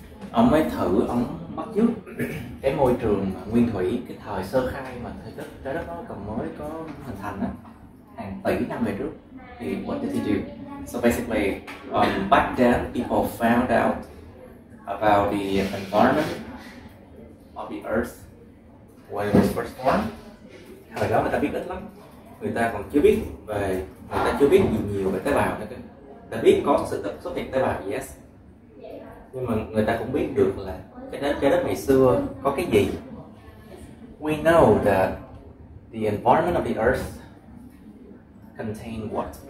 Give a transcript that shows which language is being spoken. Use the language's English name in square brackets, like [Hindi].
[Vietnamese] Ông mới thử, ông bắt chước cái môi trường nguyên thủy, cái thời sơ khai mà thời đất trái đất nó còn mới có hình thành á, hàng tỷ năm về trước thì [English] what did he do? So basically, back then people found out about the environment of the earth when it was first born. [Vietnamese] Thời đó người ta biết ít lắm, người ta còn chưa biết về, người ta chưa biết gì nhiều về tế bào nữa. Đã biết có sự xuất hiện tế bào, yes, nhưng mà người ta cũng biết được là cái đất ngày xưa có cái gì. [English] We know that the environment of the earth contained what?